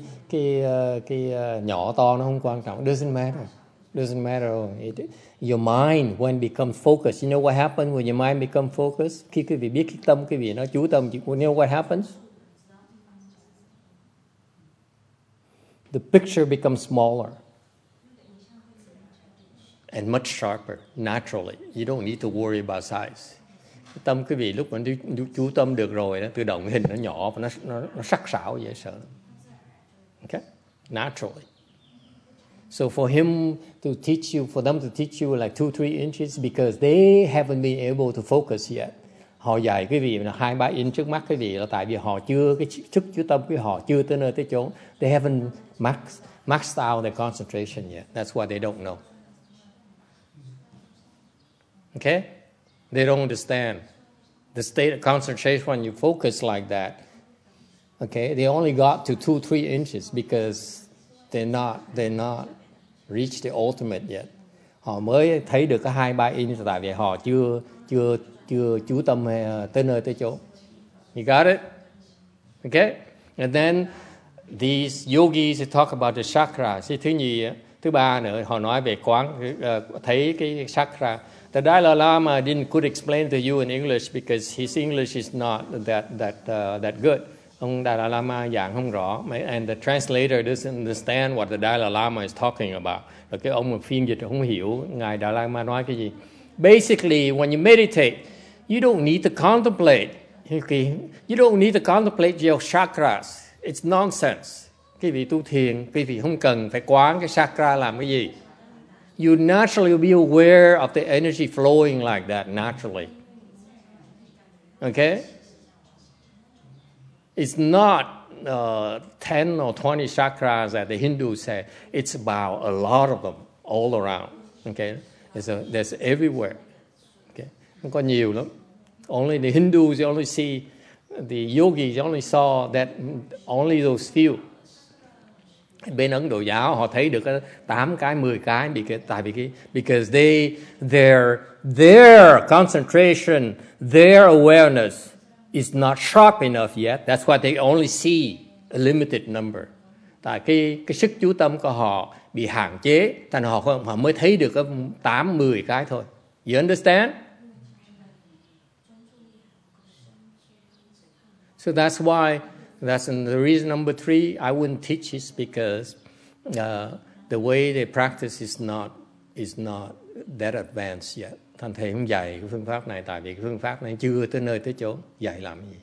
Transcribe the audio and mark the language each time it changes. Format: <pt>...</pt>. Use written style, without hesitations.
<vi>Cái nhỏ to nó không quan trọng.</vi> <en>Doesn't matter. Your mind when become focused. You know what happens when your mind become focused?</en> <vi>Khi quý vị biết cái tâm quý vị nó chú tâm,</vi> <en>you know what happens? The picture becomes smaller and much sharper naturally. You don't need to worry about size.</en> <vi>Tâm quý vị lúc mình chú tâm được rồi đó, tự động hình nó nhỏ và nó sắc sảo dễ sợ.</vi> <en>Okay, naturally. So for him to teach you, for them to teach you like 2-3 inches, because they haven't been able to focus yet.</en> <vi>Họ dạy quý vị 2-3 inch trước mắt quý vị là tại vì họ chưa, cái sức chú tâm của họ chưa tới nơi tới chốn.</vi> <en>They haven't maxed out their concentration yet. That's why they don't know. Okay? They don't understand. The state of concentration when you focus like that, okay, they only got to 2-3 inches because they're not reached the ultimate yet.</en> <vi>Họ mới thấy được cái 2-3 inch tại vì họ chưa chú tâm tới nơi tới chỗ.</vi> <en>You got it? Okay? And then these yogis talk about the chakra.</en> <vi>Thứ ba nữa, họ nói về quán, thấy cái chakra.</vi> <en>The Dalai Lama could explain to you in English because his English is not that good.</en> <vi>Ông Dalai Lama giảng không rõ,</vi> <en>and the translator doesn't understand what the Dalai Lama is talking about.</en> <vi>Rồi cái ông phiên dịch không hiểu ngài Dalai Lama nói cái gì.</vi> <en>Basically, when you meditate, you don't need to contemplate. Okay? You don't need to contemplate your chakras. It's nonsense.</en> <vi>Quý vị tu thiền, quý vị không cần phải quán cái chakra làm cái gì.</vi> <en>You naturally will be aware of the energy flowing like that naturally. Okay? It's not 10 or 20 chakras that the Hindus say. It's about a lot of them all around. Okay? There's everywhere. Okay?</en> <vi>Không có nhiều lắm.</vi> <en>Only the Hindus, you only see, the yogis, you only saw that, only those few.</en> <vi>Bên Ấn Độ giáo họ thấy được 8 cái, 10 cái</vi> <en>because they their concentration, their awareness is not sharp enough yet. That's why they only see a limited number.</en> <vi>Tại cái sức chú tâm của họ bị hạn chế, thành họ mới thấy được 8, 10 cái thôi.</vi> <en>You understand? So that's why, that's the reason number three, I wouldn't teach this because the way they practice is not that advanced yet.</en> <vi>Thành thầy không dạy phương pháp này tại vì phương pháp này chưa tới nơi tới chỗ, dạy làm gì.</vi>